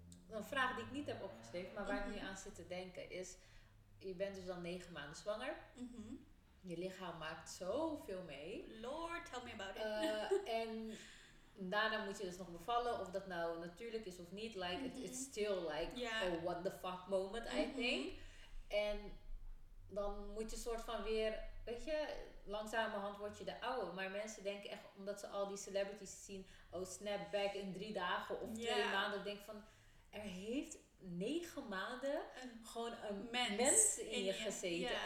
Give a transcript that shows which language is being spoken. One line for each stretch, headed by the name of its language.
Dutch: Een vraag die ik niet heb opgeschreven, maar waar ik nu aan zit te denken, is, je bent dus al 9 maanden zwanger. Mm-hmm. Je lichaam maakt zoveel mee.
English: Lord, tell me about it.
Dutch: En daarna moet je dus nog bevallen, of dat nou natuurlijk is of niet.
English: Like, it's still like a what the fuck moment, I think.
Dutch: En dan moet je soort van weer, weet je, langzamerhand word je de oude. Maar mensen denken echt, omdat ze al die celebrities zien,
English: oh snap, back in
Dutch: 3 dagen of 2 maanden. Denk van, er heeft 9 maanden gewoon een mens in je gezeten. Yeah.